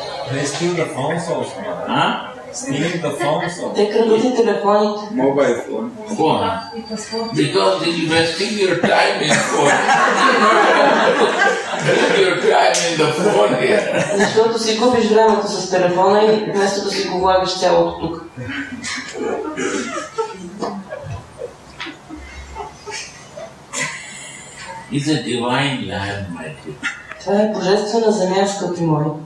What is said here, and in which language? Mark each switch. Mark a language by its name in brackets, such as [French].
[English] They steal the phones also. Huh? Stealing the phones also. They can use the telephone. Mobile phone. Phone. Because you're investing your time in phone. You're not going to lose your time in the phone here. [Bulgarian] Защото си губиш времето с телефона и вместо да си го влагаш цялото тук. [English] It's a divine land, my dear. [Bulgarian] Това е божествена земя, скъпи мои.